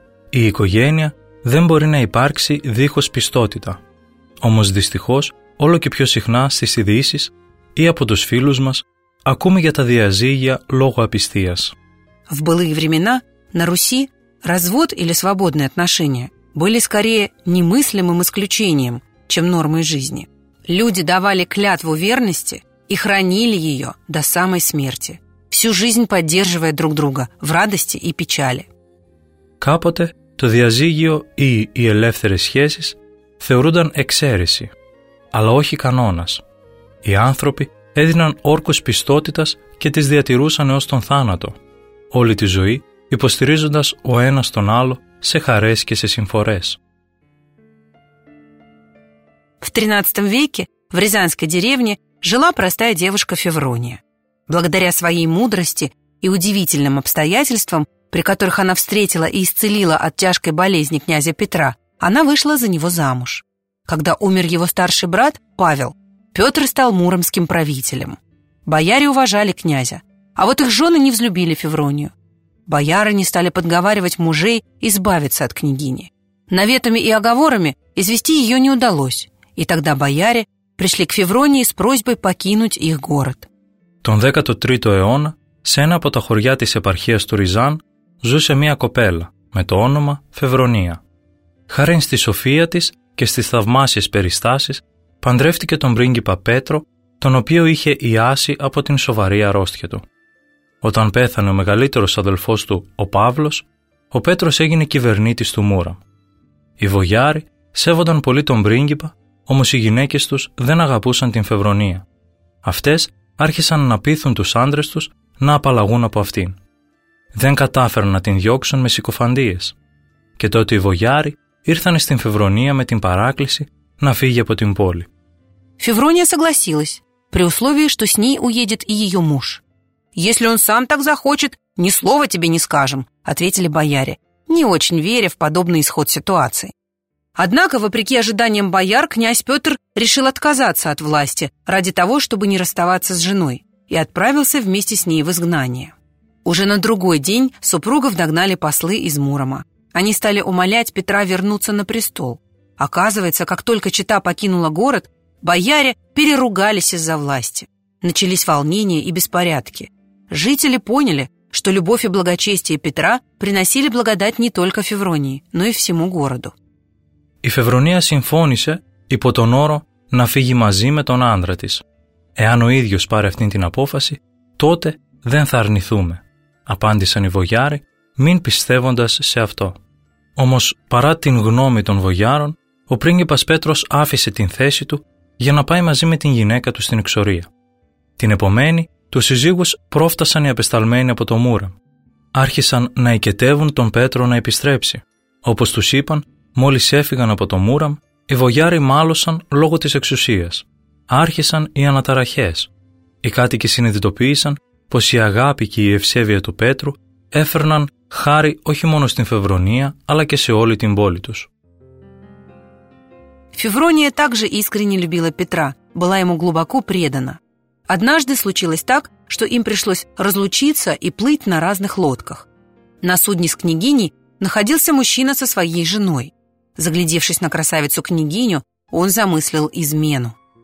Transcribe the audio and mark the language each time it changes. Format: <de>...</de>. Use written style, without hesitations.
<el>Η οικογένεια δεν μπορεί να υπάρξει δίχως πιστότητα. Όμως δυστυχώς, όλο και πιο συχνά στις ειδήσεις ή από τους φίλους μας, ακούμε για τα διαζύγια λόγω απιστίας.</el> <ru>В былые времена на Руси развод или свободные отношения были скорее немыслимым исключением, чем нормой жизни. Люди давали клятву верности и хранили ее до самой смерти, всю жизнь поддерживая друг друга в радости и печали.</ru> <el>Κάποτε το διαζύγιο ή οι ελεύθερες σχέσεις θεωρούνταν εξαίρεση, αλλά όχι κανόνας. Οι άνθρωποι έδιναν όρκους πιστότητας και τις διατηρούσαν έως τον θάνατο, όλη τη ζωή υποστηρίζοντας ο ένας τον άλλο σε χαρές και σε συμφορές.</el> <ru>В 13 веке в Рязанской деревне жила простая девушка Феврония. Благодаря своей мудрости и удивительным обстоятельствам, при которых она встретила и исцелила от тяжкой болезни князя Петра, она вышла за него замуж. Когда умер его старший брат, Павел, Петр стал муромским правителем. Бояре уважали князя, а вот их жены не взлюбили Февронию. Боярыни стали подговаривать мужей избавиться от княгини. Наветами и оговорами извести ее не удалось. И тогда бояре пришли к Февронии с просьбой покинуть их город.</ru> <el>Τον 13ο αιώνα, σε ένα από τα χωριά της επαρχίας του Ριζάν, ζούσε μία κοπέλα με το όνομα Φευρονία. Χάριν στη σοφία της και στις θαυμάσιες περιστάσεις, παντρεύτηκε τον πρίγκιπα Πέτρο, τον οποίο είχε ιάσει από την σοβαρή αρρώστια του. Όταν πέθανε ο μεγαλύτερος αδελφός του, ο Παύλος, ο Πέτρος έγινε κυβερνήτης του Μούραμ. Οι βογιάροι σέβονταν πολύ τον πρίγκιπα, όμως οι γυναίκες τους δεν αγαπούσαν την Φευρονία. Αυτές άρχισαν να πείθουν τους άντρες τους να απαλλαγούν από αυτήν. Δεν κατάφεραν να την διώξουν με συκοφαντίες. Και τότε οι βογιάροι ήρθαν στην Φευρονία με την παράκληση να φύγει από την πόλη.</el> <ru>Φευρονία согласилась, при условии, что с ней уедет и ее муж. «Если он сам так захочет, ни слова тебе не скажем», ответили бояре, не очень веря в подобный исход ситуации. Однако, вопреки ожиданиям бояр, князь Петр решил отказаться от власти ради того, чтобы не расставаться с женой, и отправился вместе с ней в изгнание. Уже на другой день супругов догнали послы из Мурома. Они стали умолять Петра вернуться на престол. Оказывается, как только чета покинула город, бояре переругались из-за власти. Начались волнения и беспорядки. Жители поняли, что любовь и благочестие Петра приносили благодать не только Февронии, но и всему городу.</ru> <el>Η Φευρονία συμφώνησε υπό τον όρο να φύγει μαζί με τον άντρα της. Εάν ο ίδιος πάρει αυτήν την απόφαση, τότε δεν θα αρνηθούμε, απάντησαν οι βογιάροι, μην πιστεύοντας σε αυτό. Όμως, παρά την γνώμη των βογιάρων, ο πρίγκιπας Πέτρος άφησε την θέση του για να πάει μαζί με την γυναίκα του στην εξορία. Την επομένη, τους συζύγους πρόφτασαν οι απεσταλμένοι από το Μούραμ. Άρχισαν να εικαιτεύουν τον Πέτρο να επιστρέψει. Όπως τους είπαν, μόλις έφυγαν από το Μούραμ, οι βογιάροι μάλωσαν λόγω της εξουσίας. Άρχισαν οι αναταραχές. Οι κάτοικοι συνειδητοποίησαν πως η αγάπη και η ευσέβεια του Πέτρου έφερναν χάρη όχι μόνο στην Φευρονία, αλλά και σε όλη την πόλη τους.</el> <ru>Φευρονία также искренне любила Петра, была ему глубоко предана. Однажды случилось так, что им пришлось разлучиться и плыть на разных лодках. На судне с княгиней находился мужчина со своей женой. Заглядевшись на красавицу-княгиню, он замыслил измену.</ru>